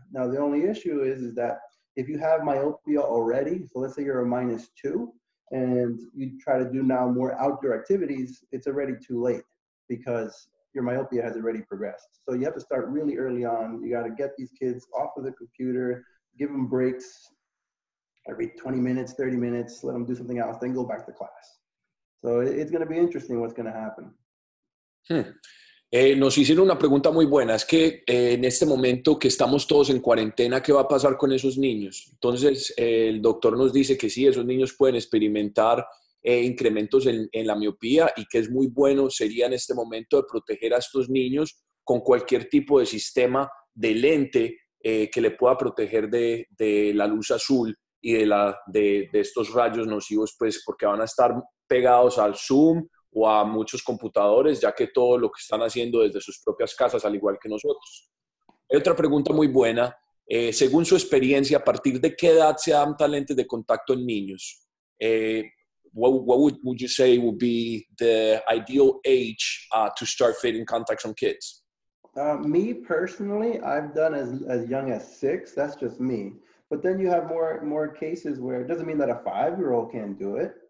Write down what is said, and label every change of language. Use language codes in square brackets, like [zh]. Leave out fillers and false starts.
[en] Now, the only issue is that if you have myopia already, so let's say you're a -2, and you try to do now more outdoor activities, it's already too late, because your myopia has already progressed. So you have to start really early on. You got to get these kids off of the computer, give them breaks every 20 minutes, 30 minutes, let them do something else, then go back to class. So it's going to be interesting what's going to happen. [es] Nos hicieron una pregunta muy buena. Es que en este momento que estamos todos en cuarentena, ¿qué va a pasar con esos niños? Entonces, el doctor nos dice que sí, esos niños pueden experimentar incrementos en la miopía, y que es muy bueno sería en este momento de proteger a estos niños con cualquier tipo de sistema de lente que le pueda proteger de la luz azul y de estos rayos nocivos, pues porque van a estar pegados al Zoom o a muchos computadores, ya que todo lo que están haciendo desde sus propias casas, al igual que nosotros. Hay otra pregunta muy buena. Según su experiencia, ¿a partir de qué edad se adaptan lentes de contacto en niños? [en] What would you say would be the ideal age to start fitting contacts on kids? Me personally, I've done as young as 6. That's just me. But then you have more cases where it doesn't mean that a 5-year-old can't do it.